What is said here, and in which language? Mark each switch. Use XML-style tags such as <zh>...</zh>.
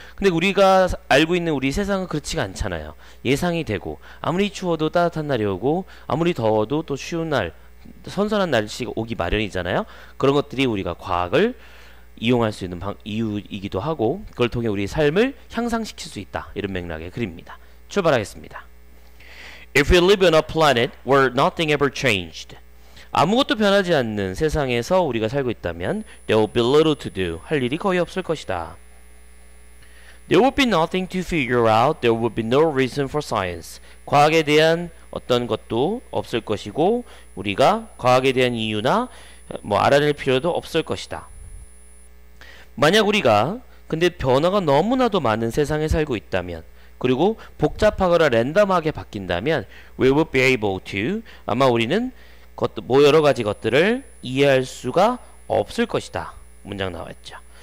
<ko>근데 우리가 알고 있는 우리 세상은 그렇지가 않잖아요. 예상이 되고, 아무리 추워도 따뜻한 날이 오고, 아무리 더워도 또 쉬운 날, 선선한 날씨가 오기 마련이잖아요. 그런 것들이 우리가 과학을 이용할 수 있는 이유이기도 하고, 그걸 통해 우리 삶을 향상시킬 수 있다, 이런 맥락의 글입니다. 출발하겠습니다.</ko> <en>If we live on a planet where nothing ever changed,</en> <ko>아무것도 변하지 않는 세상에서 우리가 살고 있다면</ko> <en>There will be little to do,</en> <ko>할 일이 거의 없을 것이다.</ko> <en>There will be nothing to figure out. There will be no reason for science.</en> <ko>과학에 대한 어떤 것도 없을 것이고, 우리가 과학에 대한 이유나 뭐 알아낼 필요도 없을 것이다. 만약 우리가 근데 변화가 너무나도 많은 세상에 살고 있다면, 그리고 복잡하거나 랜덤하게 바뀐다면</ko> <en>We will be able to,</en> <ko>아마 우리는 뭐 여러 가지 것들을 이해할 수가 없을 것이다. 문장 나왔죠.</ko>